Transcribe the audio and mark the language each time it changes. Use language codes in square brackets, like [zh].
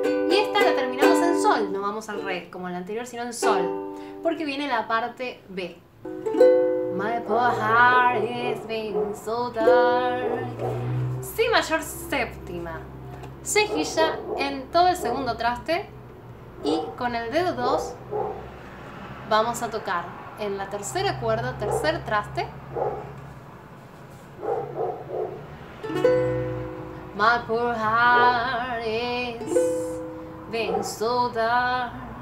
[es] Y esta la terminamos en sol, no vamos al re como la anterior, sino en sol, porque viene la parte B. [en] My poor heart is being so dark. [es] Si mayor séptima. Cejilla en todo el segundo traste. Y con el dedo 2 vamos a tocar en la tercera cuerda, tercer traste. [en] My poor heart is being so dark.